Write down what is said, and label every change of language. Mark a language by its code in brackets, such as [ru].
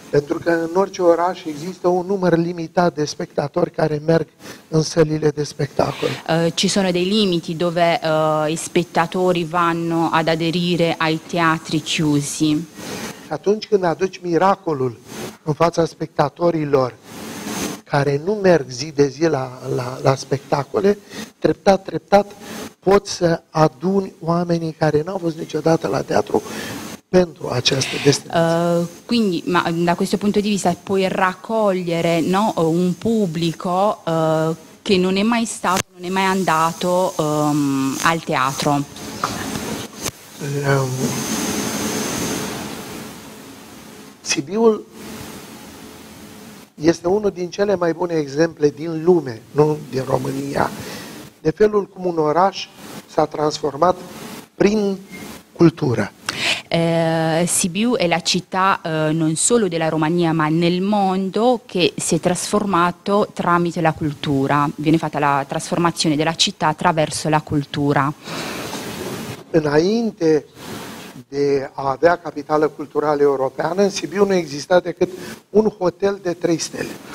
[ro] Pentru că în orice oraș există un număr limitat de spectatori care merg în sălile de spectacol. [it] Ci sono dei limiti dove i spettatori vanno ad aderire ai teatri chiusi. [ro] Atunci când aduci miracolul în fața spectatorilor care nu merg zi de zi la spectacole, treptat, treptat poți să aduni oamenii care n-au fost niciodată la teatru pentru această destinație. [it] Quindi, ma da questo punto di vista puoi raccogliere, no, un pubblico che non è mai stato, non è mai andato al teatro. [ro] Sibiul este unul din cele mai bune exemple din lume, nu din România, de felul cum un oraș s-a transformat prin cultură. [it] Sibiu è la città non solo della Romania ma nel mondo che si è trasformato tramite la cultura, viene fatta la trasformazione della città attraverso la cultura. [ro] Înainte de a avea capitală culturală europeană, în Sibiu nu exista decât un hotel de 3 stele.